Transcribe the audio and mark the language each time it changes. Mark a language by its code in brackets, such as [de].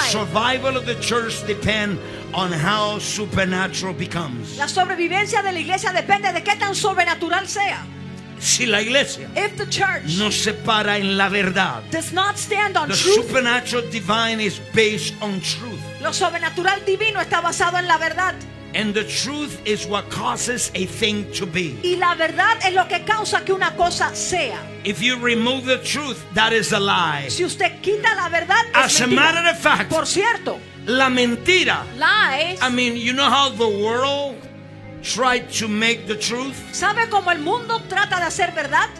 [en] The survival of the church depends on how supernatural becomes. [es] La sobrevivencia de la iglesia depende de qué tan sobrenatural sea. Si la iglesia, [en] if the church, [es] no se para en la verdad, [en] does not stand on the truth, the supernatural divine is based on truth. [es] Lo sobrenatural divino está basado en la verdad. [en] And the truth is what causes a thing to be. [es] Y la verdad es lo que causa que una cosa sea. [en] If you remove the truth, that is a lie. [es] Si usted quita la verdad, as es mentira. [en] A matter of fact, [es] por cierto, la mentira. [en] Lies. I mean, you know how the world tried to make the truth? [es] ¿Sabe cómo el mundo trata de hacer verdad?